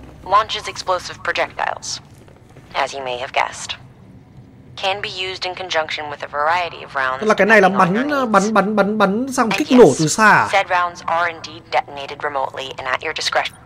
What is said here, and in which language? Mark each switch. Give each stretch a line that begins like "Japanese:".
English: Launches explosive projectiles, as you may have guessed, can be used in conjunction with a variety of rounds.
Vietnamese: Là cái này là bắn xong kích nổ từ xa.
English: Said rounds are indeed detonated remotely and at your discretion.